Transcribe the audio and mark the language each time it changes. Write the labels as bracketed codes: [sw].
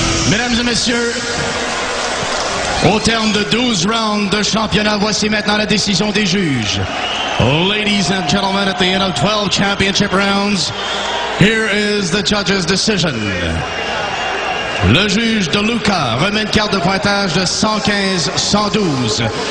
[fr] Mesdames et messieurs, au terme de 12 rounds de championnat, voici maintenant la décision des juges. [en] Ladies and gentlemen, at the end of 12 championship rounds, here is the judge's decision. [fr] Le juge DeLuca remet une carte de pointage de 115-112.